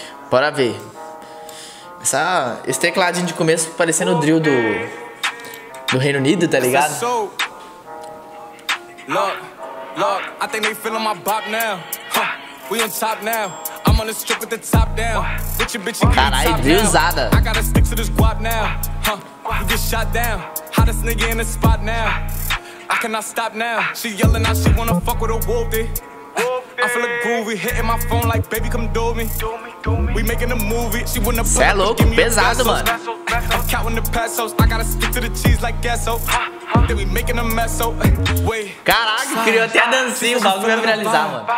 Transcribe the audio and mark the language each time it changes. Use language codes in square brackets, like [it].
[pt] Bora ver. Esse tecladinho de começo parecendo o drill do... No Reino Unido, tá ligado? [en] Look, look, I think they feeling my bop now. We on top now. I'm on the strip with the top down. Bitch, bitch, cruzada. I gotta stick to this guap now. You get shot down. Hottest nigga in the spot now. I cannot stop now. She yelling out, she wanna fuck with a wolf. I feel a groovy, hitting my phone like baby come do me. We making a movie, she wanna fuck. [pt] Cê é louco, pesado, mano. [en] I'm counting the pesos, I gotta stick to the cheese like gasso. Then we making a mess, so wait. [pt] Caraca, criou até a dancinha, o bagulho vai viralizar, mano.